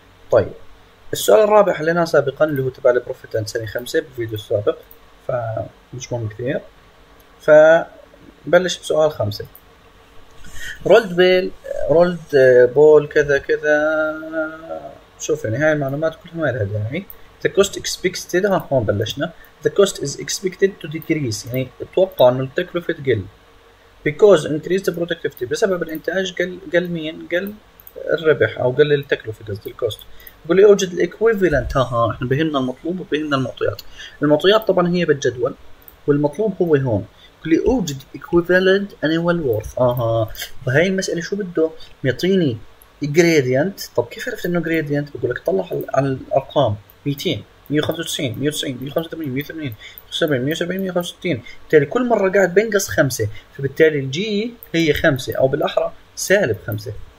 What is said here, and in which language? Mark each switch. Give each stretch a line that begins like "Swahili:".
Arabic: طيب السؤال الرابع حليناه سابقا اللي هو تبع البروفيت اند سنه 5 بالفيديو السابق، فمش مهم كثير. فبلش بسؤال 5: رولد بول كذا كذا. شوف يعني هاي المعلومات كلها ما لها داعي.
English: The cost expected،
Arabic: ها هون بلشنا.
English: The cost is expected to decrease،
Arabic: يعني اتوقع انه التكلفه تقل.
English: Because increased productivity،
Arabic: بسبب الانتاج قل مين؟ قل الربح او قل التكلفه، قصدي الكوست. بقول لي اوجد الايكويفالنت، ها احنا بهمنا المطلوب وبهمنا المعطيات. المعطيات طبعا هي بالجدول، والمطلوب هو هون لأوجد equivalent annual worth. أها، فهي المسألة شو بده؟ يعطيني gradient. طب كيف عرفت إنه gradient؟ بقول لك طلع على الأرقام 200 195 190 185 180 170 170 165، بالتالي كل مرة قاعد بنقص خمسة، فبالتالي الجي هي خمسة، أو بالأحرى سالب خمسة.